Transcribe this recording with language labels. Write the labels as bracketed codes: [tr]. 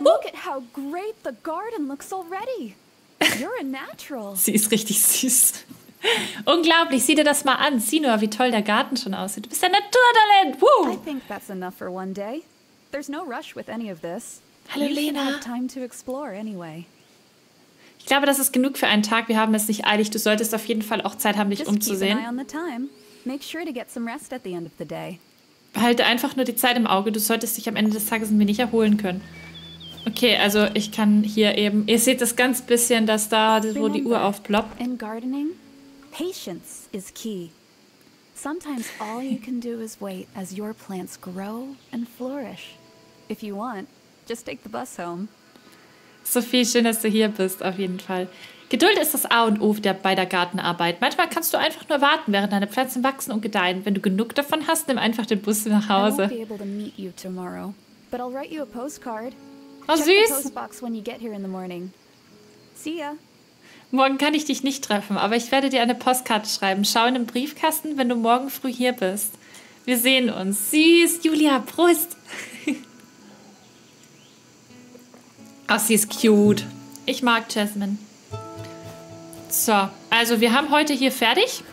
[en] Look at how great the garden looks already. You're a natural. [de] Sie ist richtig süß. Unglaublich, sieh dir das mal an. Sieh nur, wie toll der Garten schon aussieht. Du bist ein Naturtalent. Woo! [en] I think that's enough for one day. There's no rush with any of this. [de] Hallo Lena. [en] We should have time to explore anyway. [de] Ich glaube, das ist genug für einen Tag. Wir haben es nicht eilig. Du solltest auf jeden Fall auch Zeit haben, dich umzusehen. [en] Make sure to get some rest at the end of the day. [de] Behalte einfach nur die Zeit im Auge. Du solltest dich am Ende des Tages ein wenig erholen können. Okay, also ich kann hier eben... Ihr seht das ganz bisschen, dass da, wo die Uhr aufploppt. [en] In gardening, patience is key. Sometimes all you can do is wait as your plants grow and flourish. If you want, just take the bus home. [de] Sophie, schön, dass du hier bist, auf jeden Fall. Geduld ist das A und O bei der Gartenarbeit. Manchmal kannst du einfach nur warten, während deine Pflanzen wachsen und gedeihen. Wenn du genug davon hast, nimm einfach den Bus nach Hause. [en] I won't be able to meet you tomorrow, but I'll write you a postcard. [de] Oh, süß. [en] Check the postbox when you get here in the morning. See ya. [de] Morgen kann ich dich nicht treffen, aber ich werde dir eine Postkarte schreiben. Schau in den Briefkasten, wenn du morgen früh hier bist. Wir sehen uns. Süß, Julia, Prost. Oh, sie ist cute. Ich mag Jasmine. So, also wir haben heute hier fertig.